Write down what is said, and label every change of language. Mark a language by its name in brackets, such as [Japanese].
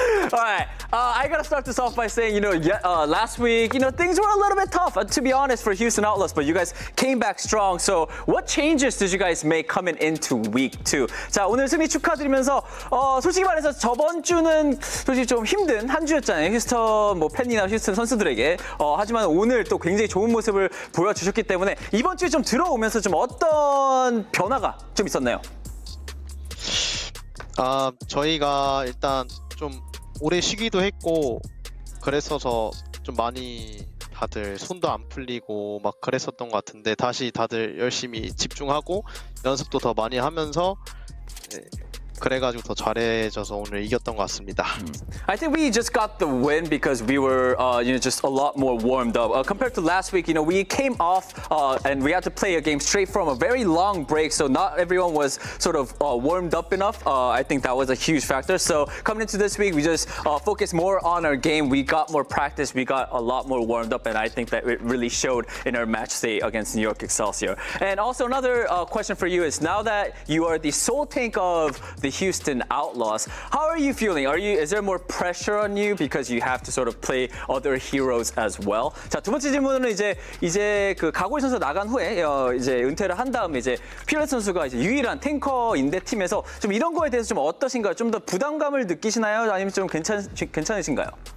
[English] Alright, I gotta start this off by saying, you know, last week, you know, things were a little bit tough, to be honest, for Houston Outlaws, but you guys came back strong. So, what changes did you guys make coming into week two? [Korean] 자, 오늘 승리 축하드리면서, 솔직히 말해서 저번 주는 솔직히 좀 힘든 한 주였잖아요. 휴스턴, 뭐, 팬이나 휴스턴 선수들에게. 하지만 오늘 또 굉장히 좋은 모습을 보여주셨기 때문에, 이번 주에 좀 들어오면서 좀 어떤 변화가 좀 있었나요? 저희가 일단, 좀 오래 쉬기도 했고 그랬어서 좀 많이 다들 손도 안 풀리고 막 그랬었던 것 같은데 다시 다들 열심히 집중하고 연습도 더 많이 하면서 그래가지고 더 잘해져서 오늘 이겼던 것 같습니다. [English] I think we just got the win because we were, you know, just a lot more warmed up. Compared to last week, you know, we came off and we had to play a game straight from a very long break. So not everyone was sort of warmed up enough. I think that was a huge factor. So coming into this week, we just focused more on our game. We got more practice. We got a lot more warmed up. And I think that it really showed in our match day against New York Excelsior. And also another question for you is now that you are the sole tank of the Houston Outlaws. How are you feeling? Are you, is there more pressure on you because you have to sort of play other heroes as well? [Korean] 자, 두 번째 질문은 이제 그 가고이 선수 나간 후에 이제 은퇴를 한 다음에 이제 피어 선수가 이제 유일한 탱커인데 팀에서 좀 이런 거에 대해서 좀 어떠신가요? 좀 더 부담감을 느끼시나요? 아니면 좀 괜찮으신가요?